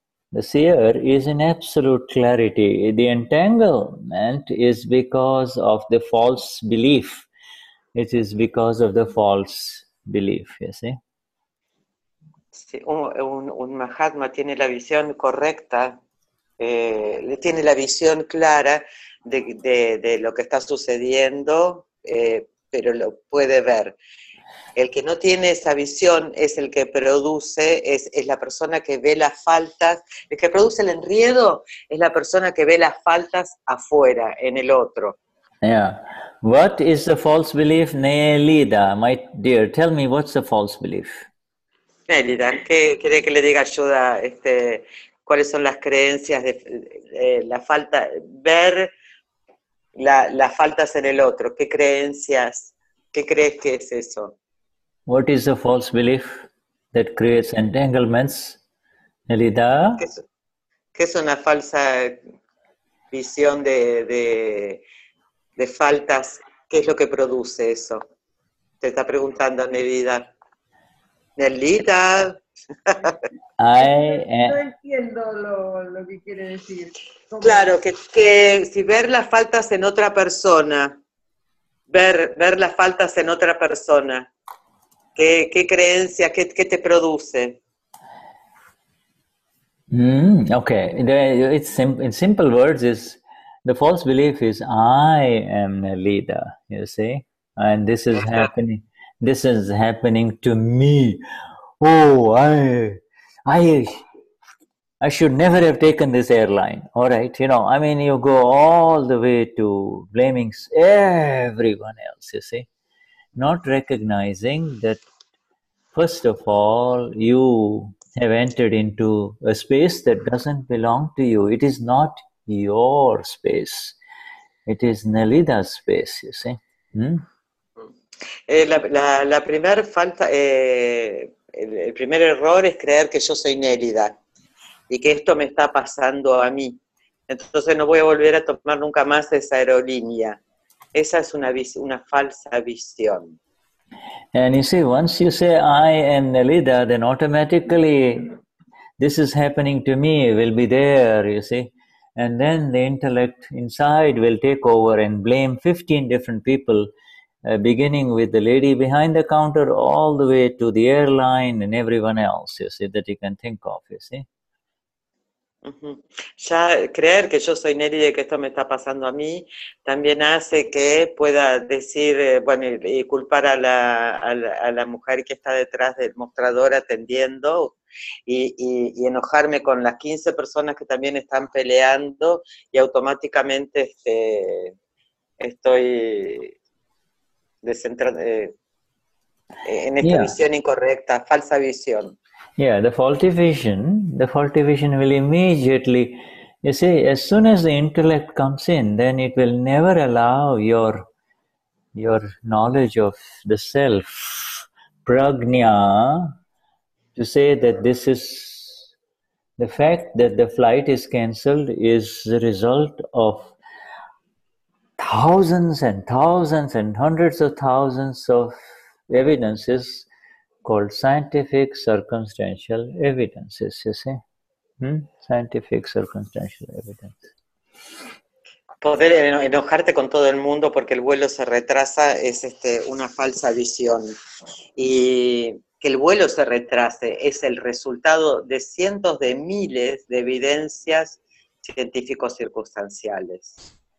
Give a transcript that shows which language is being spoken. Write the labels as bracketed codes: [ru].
[en] The seer is in absolute clarity. The entanglement is because of the false belief. It is because of the false belief, you see. [es] si un Mahatma tiene la visión correcta, tiene la visión clara de lo que está sucediendo, pero lo puede ver. El que no tiene esa visión es el que produce, es la persona que ve las faltas, el que produce el enredo es la persona que ve las faltas afuera, en el otro. [en] Yeah. What is the false belief, Nelida, my dear? Tell me, what's the false belief? [es] Nelida, ¿qué quiere que le diga ayuda? ¿Cuáles son las creencias de la falta, ver las faltas en el otro? ¿Qué creencias? ¿Qué crees que es eso? [en] What is the false belief that creates entanglements, Nelida? [es] ¿Qué es una falsa visión de faltas? ¿Qué es lo que produce eso? Te está preguntando Nelida. Nelida. No entiendo lo que quiere decir. Claro, que si ver las faltas en otra persona, ver las faltas en otra persona, ¿qué creencia, qué te produce? [en] Okay, in simple words is, the false belief is I am a leader, you see, and this is happening. This is happening to me. Oh, I should never have taken this airline. All right, you know, I mean, you go all the way to blaming everyone else, you see, not recognizing that first of all you have entered into a space that doesn't belong to you. It is not your space. It is Nelida's space, you see. [es] La primera falta, el primer error es creer que yo soy Nélida y que esto me está pasando a mí. Entonces no voy a volver a tomar nunca más esa aerolínea. Esa es una falsa visión. [en] And you see, once you say I am Nélida, then automatically this is happening to me will be there, you see. And then the intellect inside will take over and blame 15 different people, beginning with the lady behind the counter all the way to the airline and everyone else, you see, that you can think of, you see. [es] Ya creer que yo soy Nelly y que esto me está pasando a mí también hace que pueda decir, bueno, y culpar a la mujer que está detrás del mostrador atendiendo y enojarme con las 15 personas que también están peleando y automáticamente estoy en esta visión incorrecta, falsa visión. [en] Yeah, the faulty vision will immediately, you see, as soon as the intellect comes in, then it will never allow your knowledge of the self, prajna, to say that this is the fact that the flight is cancelled is the result of thousands and thousands and hundreds of thousands of evidences called scientific circumstantial evidences, you see? Scientific circumstantial evidence. [es] Poder enojarte con todo el mundo porque el vuelo se retrasa es una falsa visión. Y que el vuelo se retrase es el resultado de cientos de miles de evidencias científicos circunstanciales.